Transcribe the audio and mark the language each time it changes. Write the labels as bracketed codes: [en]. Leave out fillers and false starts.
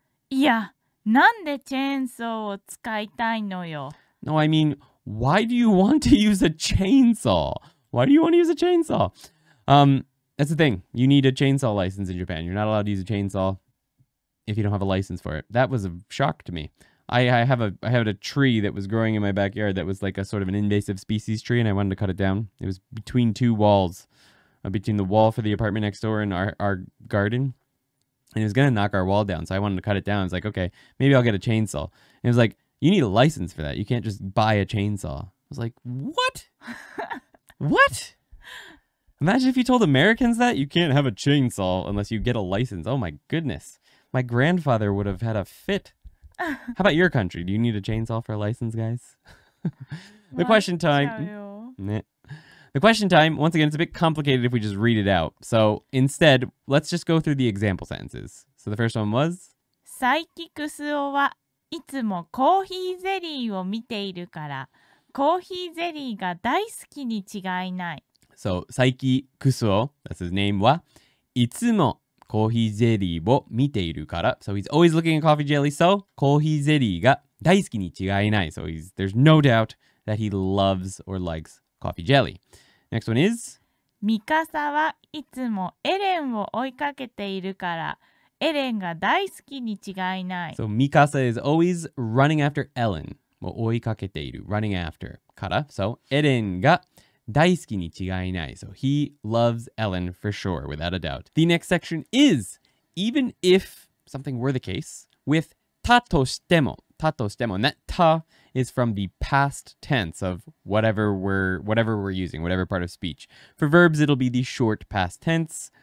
[ja] いや、なんでチェーンソーを使いたいのよ。 [en] No, I mean... Why do you want to use a chainsaw? Why do you want to use a chainsaw? That's the thing. You need a chainsaw license in Japan. You're not allowed to use a chainsaw if you don't have a license for it. That was a shock to me. I had a tree that was growing in my backyard that was like a sort of an invasive species tree, and I wanted to cut it down. It was between two walls, between the wall for the apartment next door and our garden. And it was going to knock our wall down, so I wanted to cut it down. I was like, okay, maybe I'll get a chainsaw. And it was like... You need a license for that. You can't just buy a chainsaw. I was like, what? What? Imagine if you told Americans that you can't have a chainsaw unless you get a license. Oh my goodness. My grandfather would have had a fit. How about your country? Do you need a chainsaw for a license, guys? The question time. The question time. Once again, it's a bit complicated if we just read it out. So instead, let's just go through the example sentences. So the first one was... [ja] サイキクスオはいつもコーヒーゼリーを見ているから、コーヒーゼリーが大好きに違いない。 [en] So, Saiki Kusuo, that's his name, [ja] はいつもコーヒーゼリーを見ているから。 [en] So, he's always looking at coffee jelly. So, [ja] コーヒーゼリーが大好きに違いない。 [en] So, there's no doubt that he loves or likes coffee jelly. Next one is... [ja] ミカサはいつもエレンを追いかけているから、エレンが大好きに違いない。 [en] So, Mikasa is always running after Ellen. [ja] を追いかけている。 [en] Running after. から。 [ja] So, エレンが大好きに違いない。 [en] So, he loves Ellen for sure, without a doubt. The next section is, even if something were the case, with たとしても。 [ja] たとしても。 [en] And that た is from the past tense of whatever we're using, whatever part of speech. For verbs, it'll be the short past tense.